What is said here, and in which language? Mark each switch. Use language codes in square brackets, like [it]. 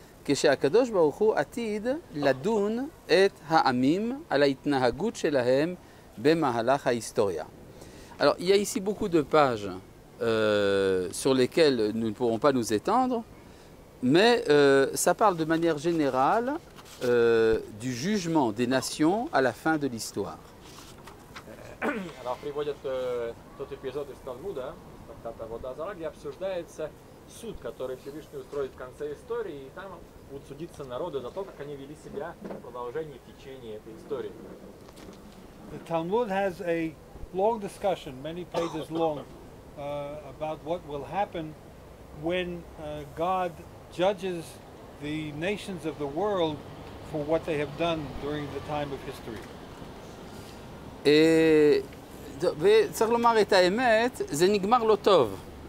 [he] כשהקדוש ברוך הוא עתיד לדון את העמים על ההתנהגות שלהם במהלך ההיסטוריה. [fr] Alors, il y a ici beaucoup de pages sur lesquelles nous ne pourrons pas nous étendre, mais ça parle de manière générale du jugement des nations à la fin de l'histoire. [ru] Alors, приводят тот эпизод из Талмуда, трактата «Вода Зара», где обсуждается суд, который Всевышний устроит в конце истории, и там будут судиться народы за то, как они вели себя в продолжении течения этой истории. [en] The Talmud has a long discussion, many pages long, about what will happen when God judges the nations of the world for what they have done during the time of history. [he] Et צריך לומר את האמת, זה נגמר לא טוב.